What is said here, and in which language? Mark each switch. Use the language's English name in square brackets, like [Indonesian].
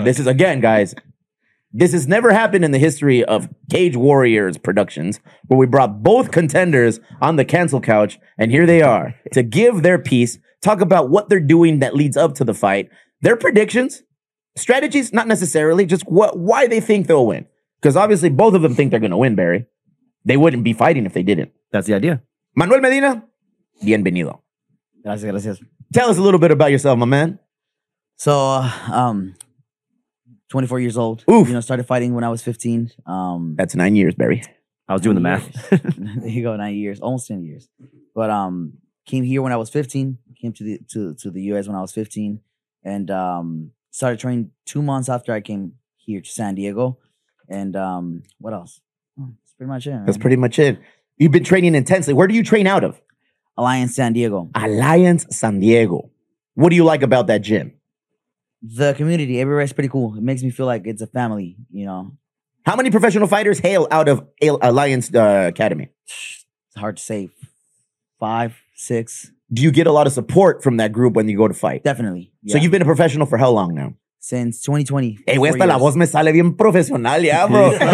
[English] This is, again, guys, this has never happened in the history of Cage Warriors Productions, where we brought both contenders on the cancel couch, and here they are to give their piece, talk about what they're doing that leads up to the fight, their predictions, strategies, not necessarily, just why they think they'll win. Because obviously both of them think they're going to win, Barry. They wouldn't be fighting if they didn't. That's the idea. [Spanish] Manuel Medina, bienvenido. Gracias, gracias. [English] Tell us a little bit about yourself, my man. So, 24 years old. Oof. You know, started fighting when I was 15. That's 9 years, Barry. I was doing the math. There you go, 9 years. Almost 10 years. But came here when I was 15. Came to the U.S. when I was 15. And started training 2 months after I came here to San Diego. And what else? That's pretty much it. That's pretty much it. You've been training intensely. Where do you train out of? Alliance San Diego. Alliance San Diego. What do you like about that gym? The community, everywhere is pretty cool. It makes me feel like it's a family, you know. How many professional fighters hail out of Alliance Academy? It's hard to say. 5, 6. Do you get a lot of support from that group when you go to fight? Definitely. Yeah. So you've been a professional for how long now? Since 2020. [Spanish] Hey, güey, hasta la voz me sale bien profesional, ya, bro.